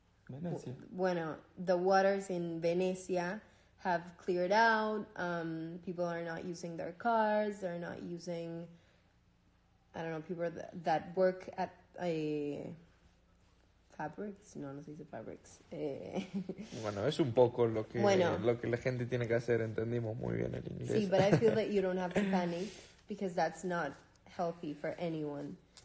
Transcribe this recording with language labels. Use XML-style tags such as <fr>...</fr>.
<es>Venecia.</es> <en>Bueno, the waters in Venecia have cleared out. People are not using their cars. They're not using, I don't know, people that work at a fabrics.</en> <es>No, no se dice fabrics. Bueno, es un poco lo que la gente tiene que hacer. Entendimos muy bien el inglés.</es> <en>Sí, but I feel that you don't have to panic because that's not healthy for anyone.</en>